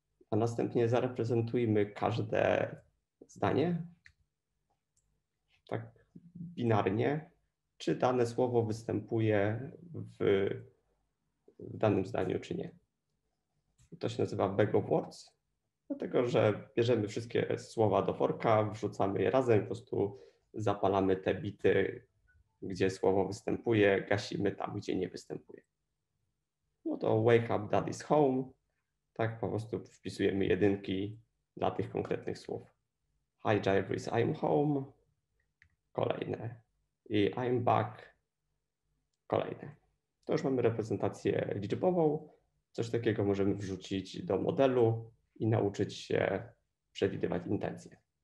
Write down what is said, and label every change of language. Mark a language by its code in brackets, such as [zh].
[pl] A następnie zareprezentujmy każde zdanie tak binarnie, czy dane słowo występuje w danym zdaniu, czy nie. To się nazywa bag of words, dlatego że bierzemy wszystkie słowa do worka, wrzucamy je razem, po prostu zapalamy te bity, gdzie słowo występuje, gasimy tam, gdzie nie występuje. No to [en] wake up, daddy's home. [pl] Tak po prostu wpisujemy jedynki dla tych konkretnych słów. [en] Hi, Jarvis, I'm home. [pl] Kolejne. [en] I I'm back. [pl] Kolejne. To już mamy reprezentację liczbową. Coś takiego możemy wrzucić do modelu i nauczyć się przewidywać intencje.